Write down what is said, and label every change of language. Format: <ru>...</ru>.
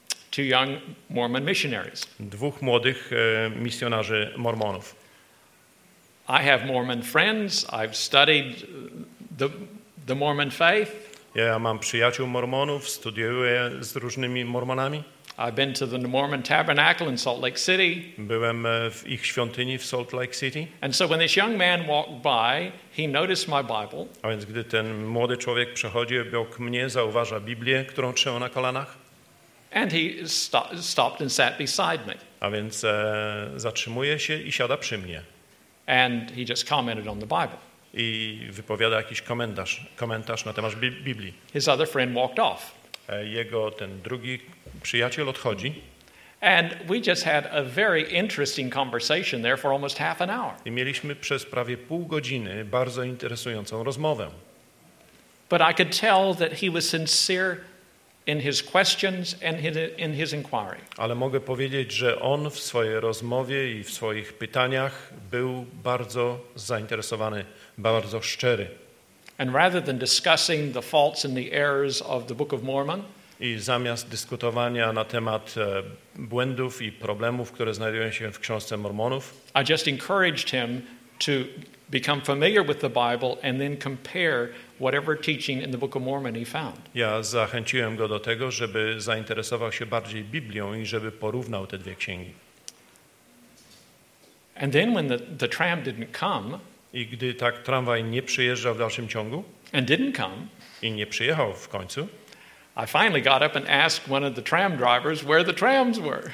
<en>Two young Mormon missionaries.</en> <pl>Dwóch młodych misjonarzy Mormonów.</pl> <en>I have Mormon friends. I've studied the Mormon faith.</en> <pl>Ja mam przyjaciół Mormonów, studiuję z różnymi Mormonami.</pl> <en>I've been to the Mormon Tabernacle in Salt Lake City.</en> <pl>Byłem w ich świątyni w Salt Lake City.</pl> <en>And so when this young man walked by, he noticed my Bible.</en> <pl>A więc gdy ten młody człowiek przechodzi obok mnie, zauważa Biblię, którą trzyma na kolanach.</pl> <en>And he stopped and sat beside me.</en> <pl>A więc zatrzymuje się i siada przy mnie.</pl> <en>And he just commented on the Bible.</en> <pl>I wypowiada jakiś komentarz na temat Biblii.</pl> <en>His other friend walked off.</en> <pl>Jego ten drugi przyjaciel odchodzi.</pl> <en>And we just had a very interesting conversation there for almost half an hour.</en> <pl>I mieliśmy przez prawie pół godziny bardzo interesującą rozmowę.</pl> <en>But I could tell that he was sincere in his questions and in his inquiry.</en> <pl>Ale mogę powiedzieć, że on w swojej rozmowie i w swoich pytaniach był bardzo zainteresowany, bardzo szczery.</pl> <en>And rather than discussing the faults and the errors of the Book of Mormon,</en> <pl>i zamiast dyskutowania na temat błędów i problemów, które znajdują się w Książce Mormonów,</pl> <en>I just encouraged him to become familiar with the Bible and then compare whatever teaching in the Book of Mormon he found.</en> <pl>Ja zachęciłem go do tego, żeby zainteresował się bardziej Biblią i żeby porównał te dwie księgi.</pl> <en>And then when the tram didn't come,</en> <pl>i gdy tak tramwaj nie przyjeżdżał w dalszym ciągu,</pl> <en>and didn't come,</en> <pl>i nie przyjechał w końcu,</pl> <en>I finally got up and asked one of the tram drivers where the trams were.</en>